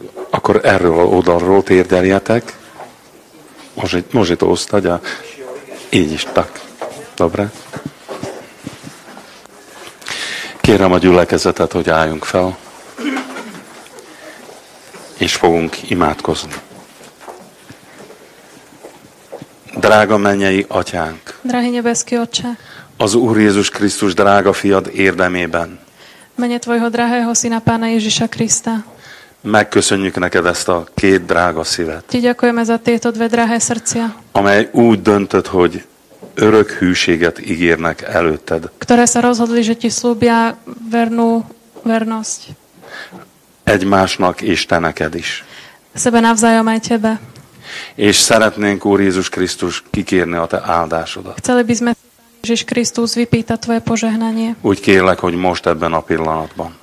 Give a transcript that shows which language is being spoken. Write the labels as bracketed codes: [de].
[hu] Akkor erről oldalról térdeljetek. [sk] Môže to ostať a [hu] így is, [sk] tak. Dobre. [hu] Kérem a gyülekezetet, hogy álljunk fel, és fogunk imádkozni. Drága mennyei atyánk, [sk] drahý nebeský Otče, [hu] az Úr Jézus Krisztus drága fiad érdemében, [sk] menje tvojho drahého syna Pána Ježiša Krista, [hu] megköszönjük neked ezt a két drága szívet. [sk] Ti ďakujeme za tieto dve drahé srdcia. [hu] Amely úgy döntött, hogy örök hűséget ígérnek előtted. [sk] Ktoré sa rozhodli, že ti slúbia vernú vernosť. [hu] Egymásnak és te neked is. [sk] Sebe navzájom aj tebe. [hu] És szeretnénk, Úr Jézus Krisztus, kikérni a te áldásodat. [sk] Chceli by sme Ježiš Kristus vypýta tvoje požehnanie. [hu] Úgy kérlek, hogy most ebben a pillanatban.